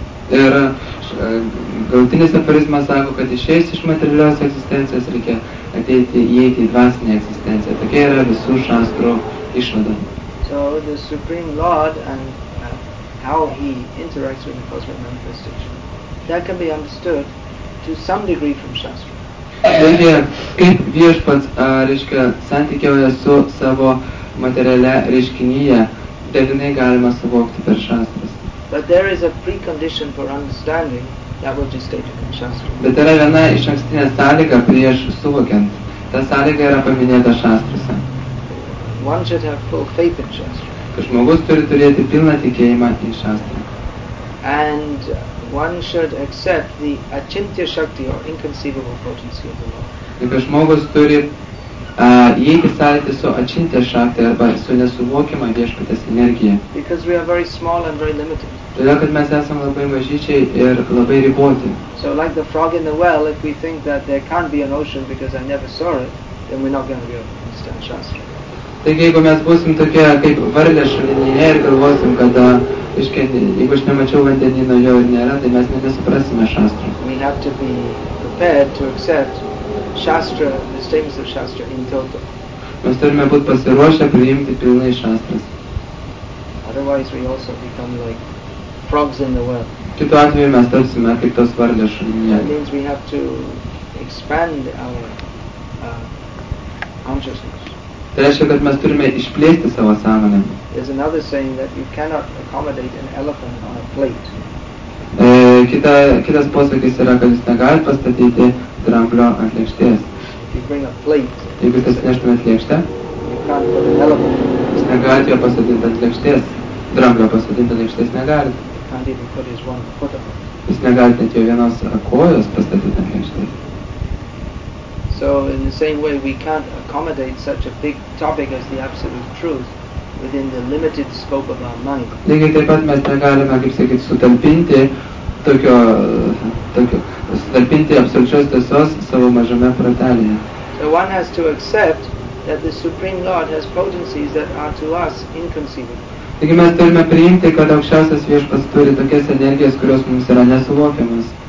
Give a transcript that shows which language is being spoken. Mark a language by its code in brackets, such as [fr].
[lt] Ir galutinis aphorizmas sako, kad išėjus iš materialios egzistencijos reikia ateiti įeiti į dvasinę egzistenciją. Tokia yra visų šastro išvada. [en] So the Supreme Lord and how he interacts with the cosmic manifestation, that can be understood to some degree from Shastra. [lt] Taigi, kaip viešpats, reiškia, santykiauja su savo materialia reiškinyje, dažnai galima suvokti per Shastras. [en] But there is a precondition for understanding that which is stated in Shastra. [lt] Bet yra viena iš ankstinė sąlyga prieš suvokiant. Ta sąlyga yra paminėta Shastrose. [en] One should have full faith in Shastra. [lt] Kad žmogus turi turėti pilną tikėjimą į Shastra. [en] And one should accept the achintya shakti or inconceivable potency of the Lord. [lt] Kad žmogus turi įeiti sąlytį su achintya shakti arba su nesuvokiama viešpatės energija. [en] Because we are very small and very limited. [lt] Todėl, kad mes esame labai mažyčiai ir labai riboti. [en] So like the frog in the well, if we think that there can't be an ocean because I never saw it, then we're not going to be able to understand Shastra. [lt] Taigi, jeigu mes būsim tokie kaip varlė šulinyje ir galvosim, kad jeigu aš nemačiau vandenyno jo ir nėra, tai mes nesuprasime Shastra. [en] We have to be prepared to accept Shastra, the statements of Shastra in total. [lt] Mes turime būti pasiruošę priimti pilnai šastras. [en] Otherwise we also become like frogs in the well. [lt] Kitu atveju mes tapsime kaip tos varlės šulinyje. [en] That means we have to expand our consciousness. [lt] Tai reiškia, kad mes turime išplėsti savo sąmonę. [en] There's another saying that you cannot accommodate an elephant on a plate. [lt] Kitas posakis yra, kad jūs negalite pastatyti dramblio ant lėkštės. Jeigu jūs atsineštumėt lėkštę, jūs negalite jo pastatyti ant lėkštės. Dramblio pastatyti ant lėkštės negalite. Jūs negalite net jo vienos kojos pastatyti ant lėkštės. [en] So in the same way we can't accommodate such a big topic as the absolute truth within the limited scope of our mind. [lt] Lygiai taip pat mes negalime, kaip sakyt, sutalpinti sutalpinti absoliučios tiesos savo mažame protelėje. [en] So one has to accept that the Supreme Lord has potencies that are to us inconceivable. [lt] Taigi mes turime priimti, kad aukščiausias viešpats turi tokias energijas, kurios mums yra nesuvokiamas.